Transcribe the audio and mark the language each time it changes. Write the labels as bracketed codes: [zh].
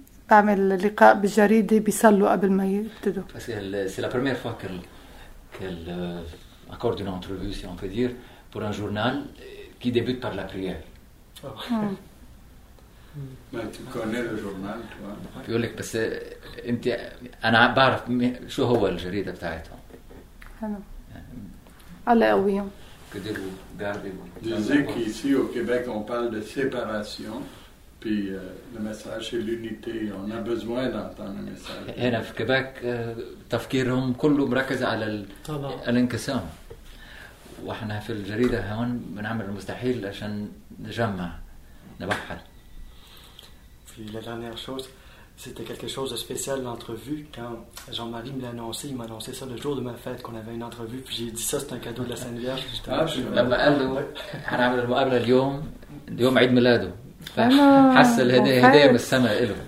[ar] بعمل لقاء بالجريدة بيصلوا قبل ما يبتدوا. بس [fr] c'est la première fois qu'elle accorde une entrevue, si on peut dire, pour un journal qui débute par la prière. Tu connais le journal, toi. [ar] بيقول لك بس انت انا بعرف شو هو الجريدة بتاعتهم. الله يقويهم. [fr] Que Dieu vous garde. Disait qu'ici au Québec, on parle de séparation. Puis le message c'est l'unité. On a besoin d'entendre le message. [ar] هنا في كيبيك تفكيرهم كله مركز على الانقسام. واحنا في الجريدة هون بنعمل المستحيل عشان نجمع نبحر. [fr] Puis la dernière chose, c'était quelque chose de spécial l'entrevue quand Jean-Marie me l'a annoncé. Il m'a annoncé ça le jour de ma fête qu'on avait une entrevue. Puis j'ai dit ça c'est un cadeau de la Sainte Vierge. [ar] لما قالوا هنعمل المقابلة اليوم يوم عيد ميلاده. حس الهدية هدية من السماء إله.